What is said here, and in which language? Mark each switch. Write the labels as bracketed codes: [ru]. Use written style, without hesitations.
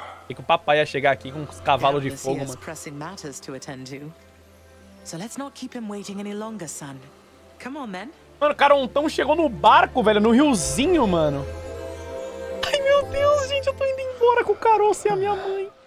[pt] E que o papai ia chegar aqui com os cavalos de fogo, mano. [en] Pressing matters to attend to. So let's not keep him waiting any longer, son. Come on, then. [pt] Mano, o Carontão chegou no barco, velho, no riozinho, mano. Ai, meu Deus, gente, eu tô indo embora com o Caronte e a minha mãe.